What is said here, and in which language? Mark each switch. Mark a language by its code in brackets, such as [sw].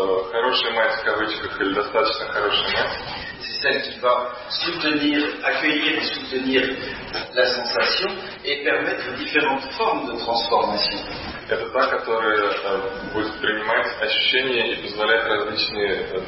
[ru] хорошая мать, в кавычках, или достаточно хорошая мать, [fr] c'est celle qui va soutenir, accueillir et soutenir la sensation et permettre différentes formes de transformation. [ru] Это та, которая будет принимать ощущения и позволять различные